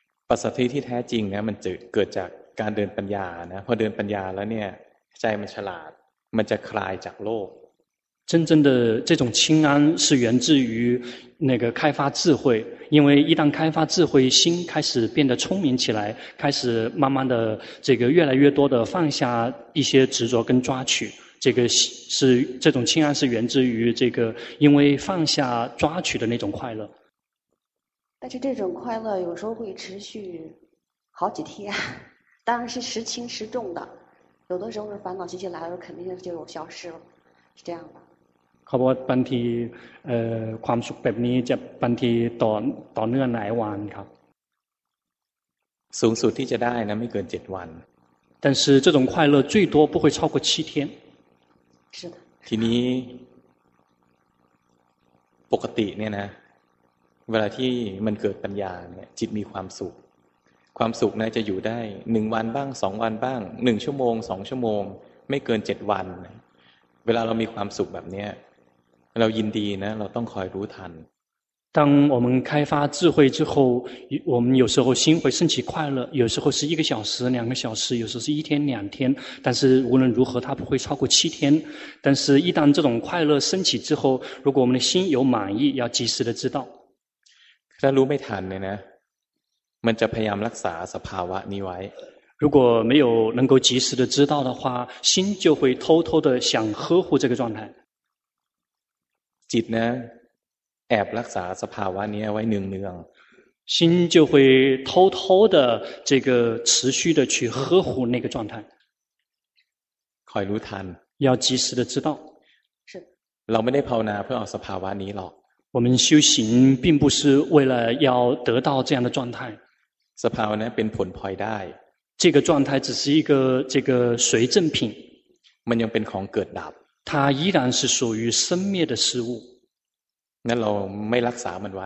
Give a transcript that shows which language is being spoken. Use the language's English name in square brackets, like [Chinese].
[Thai] ปัสสัทธิที่แท้จริงนะมันเกิดจากการเดินปัญญานะพอเดินปัญญาแล้วเนี่ยใจมันฉลาดมันจะคลายจากโลก [Chinese] 真正的这种清安是源自于那个开发智慧，因为一旦开发智慧，心开始变得聪明起来，开始慢慢的这个越来越多的放下一些执着跟抓取，这个是这种清安是源自于这个因为放下抓取的那种快乐。但是这种快乐有时候会持续好几天，当然是时轻时重的，有的时候是烦恼习气来了，肯定就消失了，是这样的。 [Thai] เขาบอกว่าบางทีความสุขแบบนี้จะบางทีต่อเนื่องหลายวันครับ สูงสุดที่จะได้นะไม่เกิน7วัน [Chinese] 但是这种快乐最多不会超过7天是的 [Thai] ทีนี้ปกติเนี่ยนะเวลาที่มันเกิดปัญญาเนี่ยจิตมีความสุขความสุขนะจะอยู่ได้1วันบ้าง2วันบ้าง1ชั่วโมง2ชั่วโมงไม่เกิน7วันเวลาเรามีความสุขแบบนี้เรายินดีนะเราต้องคอยรู้ทัน [Chinese] 当我们开发智慧之后我们有时候心会升起快乐有时候是一个小时两个小时有时候是一天两天但是无论如何它不会超过七天但是一旦这种快乐升起之后如果我们的心有满意要及时的知道 [Thai] ถ้ารู้ไม่ทันเนี่ยนะมันจะพยายามรักษาสภาวะนี้ไว้ [Chinese] 如果没有能够及时的知道的话心就会偷偷的想呵护这个状态 [Thai] จิตนะแอบรักษาสภาวะนี้ไว้เนือง [Chinese] ๆ心就会偷偷的这个持续的去呵护那个状态 [Thai] คอยรู้ทัน [Chinese] 要及时的知道是 [Thai] เราไม่ได้ภาวนาเพื่อเอาสภาวะนี้หรอก [Chinese] 我们修行并不是为了要得到这样的状态 [Thai] สภาวะนี้เป็นผลพลอยได้ [Chinese] 这个状态只是一个这个随赠品 [Thai] มันยังเป็นของเกิดดับ [Chinese] 它依然是属于生灭的事物 [Thai] งั้นเราไม่รักษามันไว